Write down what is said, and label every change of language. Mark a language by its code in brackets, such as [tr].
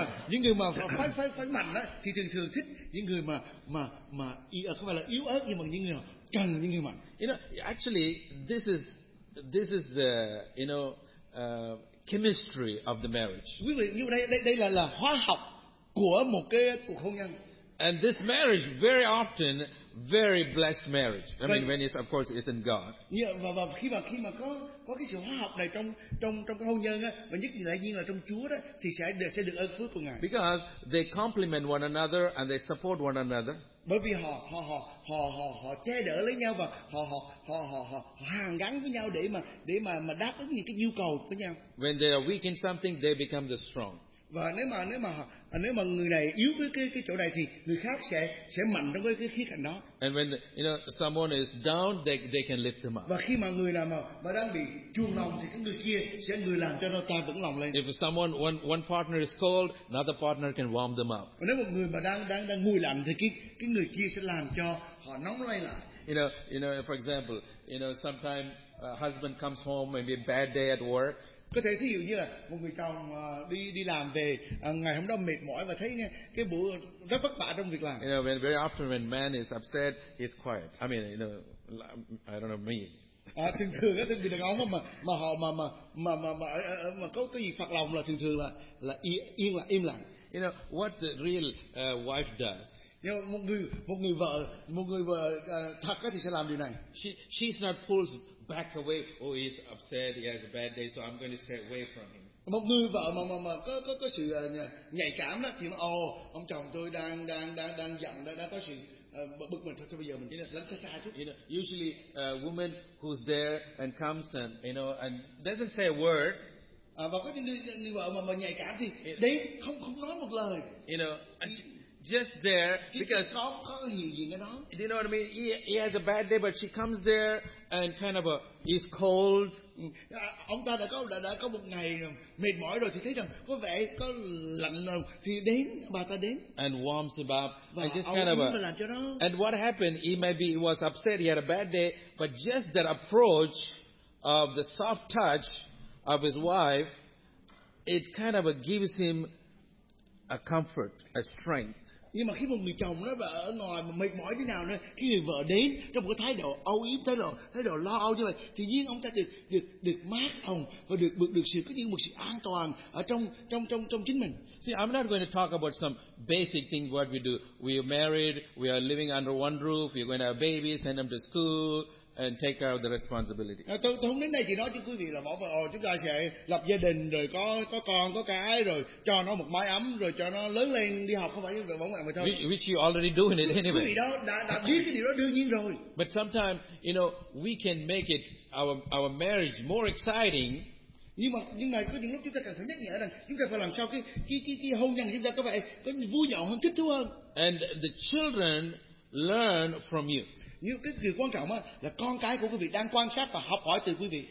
[vi] Những người mà phải mạnh á, thì thường thích những người mà không phải là yếu ớt, nhưng mà những người cần những người mạnh. [en] You know, actually, this is the, you know, chemistry of the marriage. [vi] Đây là hóa học của một cái cuộc hôn nhân. [en] And this marriage, very often, very blessed marriage. I mean, when it's, of course, it's in God. [vi] Yeah, và khi mà có cái sự hóa học này trong cái hôn nhân á, và nhất là nhiên là trong Chúa đó, thì sẽ được ơn phước của Ngài. [en] Because they complement one another and they support one another. [vi] Bởi vì họ che đỡ lấy nhau và họ hàn gắn với nhau để mà đáp ứng những cái nhu cầu của nhau. [en] When they are weak in something, they become the strong. [vi] Và nếu mà người này yếu với cái chỗ này thì người khác sẽ mạnh trong cái khía cạnh đó. [en] And when you know someone is down, they can lift them up. [vi] Và khi mà người nào mà đang bị chuông lòng thì cái người kia sẽ người làm cho nó ta vững lòng lên. [en] If someone one partner is cold, another partner can warm them up. [vi] Và nếu một người mà đang nguội lạnh thì cái người kia sẽ làm cho họ nóng lên lại. [en] You know, for example, you know, sometimes a husband comes home, maybe a bad day at work. [vi] Có thể thí dụ như là một người chồng đi làm về ngày hôm đó mệt mỏi và thấy cái bữa rất vất vả trong việc làm. [en] You know, very often when man is upset, he's quiet. I mean, you know, I don't know me. [vi] Thường thường người đàn ông mà có gì phật lòng là thường là yên lặng, im lặng. [en] You know what the real wife does? You know, [vi] một người vợ thật thì sẽ làm điều này. [en] She's not pulled back away. Oh, he's upset. He has a bad day, so I'm going to stay away from him. [vi] Một người vợ mà có sự nhạy cảm đó thì ông chồng tôi đang giận, đang có sự bực mình, thôi bây giờ mình lánh xa chút. [en] You know, usually a woman who's there and comes and, you know, and doesn't say a word. [vi] Và có những người vợ mà nhạy cảm thì đến không nói một lời. [en] You know, and she, just there because, do you know what I mean? He has a bad day, but she comes there and kind of he's cold. [vi] Ông ta đã có một ngày mệt mỏi rồi thì thấy rằng có vẻ có lạnh lùng thì đến bà ta đến. [en] And warms him up. And just kind of and what happened? He was upset. He had a bad day, but just that approach of the soft touch of his wife, it kind of gives him a comfort, a strength. [vi] Nhưng mà khi một người chồng nó ở ngoài mà mệt mỏi thế nào nữa, khi người vợ đến trong một cái thái độ âu yếm, thái độ lo âu như vậy, thì nhiên ông ta được mát lòng và được sự cái những một sự an toàn ở trong chính mình. [en] See, I'm not going to talk about some basic thing what we do. We are married, we are living under one roof, we're going to have babies, send them to school, and take care of the responsibility. [vi] Tôi không đến đây chỉ nói cho quý vị là bỏ vào chúng ta sẽ lập gia đình rồi có con có cái rồi cho nó một mái ấm rồi cho nó lớn lên đi học, không phải như vậy bỏ ngoài mà thôi. [en] Which you already doing it anyway. [vi] Quý vị đã biết cái điều đó đương nhiên rồi. [en] But sometimes, you know, we can make it our marriage more exciting. [vi] Nhưng mà có những lúc chúng ta cần phải nhắc nhở rằng chúng ta phải làm sao cái hôn nhân chúng ta có vẻ có vui nhộn hơn, thích thú hơn. [en] And the children learn from you. [vi] Nhưng cái điều quan trọng là con cái của quý vị đang quan sát và học hỏi từ quý vị.